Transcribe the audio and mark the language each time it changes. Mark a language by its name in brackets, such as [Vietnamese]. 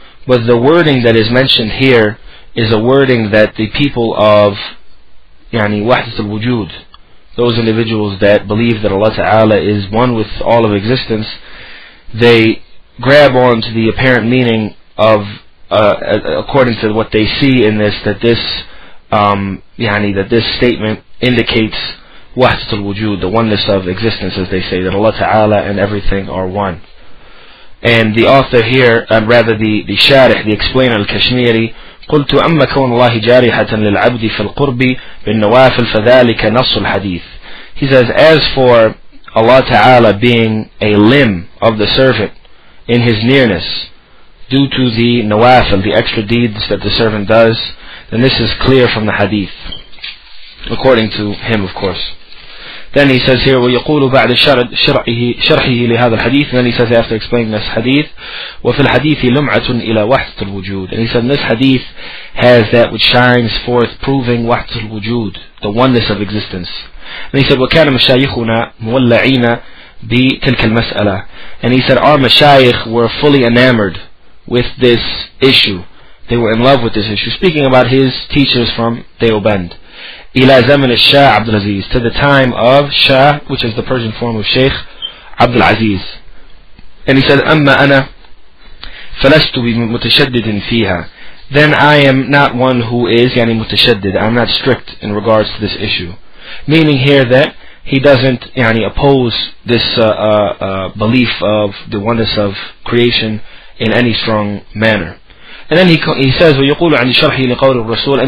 [English] But the wording that is mentioned here is a wording that the people of [Arabic] يعني وحدة الوجود, [English] those individuals that believe that Allah Ta'ala is one with all of existence, they grab on to the apparent meaning of according to what they see in this, that this يعني that this statement indicates وحدة الوجود, the oneness of existence, as they say, that Allah Ta'ala and everything are one. And the author here, and rather the sharih, the explainer, al-Kashmiri, [Arabic] قلت أما كون الله جارحة للعبد في القرب بالنوافل فذلك نص الحديث. [English] He says, as for Allah Ta'ala being a limb of the servant in his nearness due to the nawafil, the extra deeds that the servant does, then this is clear from the hadith, according to him, of course. Then he says here, [Arabic] ويقول بعد شرحه لهذا الحديث, [English] and then he says after explaining this hadith, [Arabic] وفي الحديث لمعة إلى وحدة الوجود. [English] And he said, this hadith has that which shines forth proving وحدة الوجود, the oneness of existence. And he said, [Arabic] وكان مشايخنا مولعين بتلك المسألة. [English] And he said, our mashayikh were fully enamored with this issue. They were in love with this issue. Speaking about his teachers from Deoband. [Arabic] Ila zaman al-Shah Abdul Aziz. [English] To the time of Shah, which is the Persian form of Sheikh Abdul Aziz. And he said, [Arabic] أما أنا فلست متشدد فيها. [English] Then I am not one who is [Arabic] يعني متشدد. [English] I'm not strict in regards to this issue. Meaning here that he doesn't يعني oppose this belief of the oneness of creation in any strong manner. And then he says, [Arabic] ويقول عن شرح لقول الرسول.